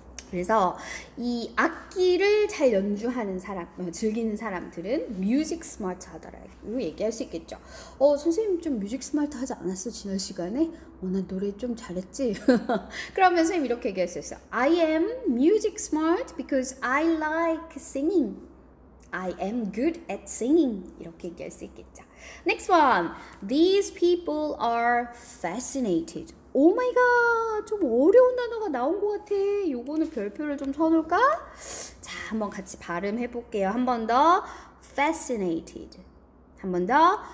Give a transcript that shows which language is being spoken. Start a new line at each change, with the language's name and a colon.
Korean: 그래서 이 악기를 잘 연주하는 사람, 즐기는 사람들은 뮤직 스마트하다라고 얘기할 수 있겠죠. 선생님 좀 뮤직 스마트 하지 않았어? 지난 시간에? 나 노래 좀 잘했지? 그러면 선생님 이렇게 얘기할 수 있어요.
English: I am music smart because I like singing. I am good at singing.
Korean: 이렇게 얘기할 수 있겠죠.
English: Next one. These people are fascinated.
Korean: 오 마이 갓, 좀 어려운 단어가 나온 것 같아. 요거는 별표를 좀 쳐놓을까? 자, 한번 같이 발음해 볼게요. 한번 더. fascinated. 한번 더.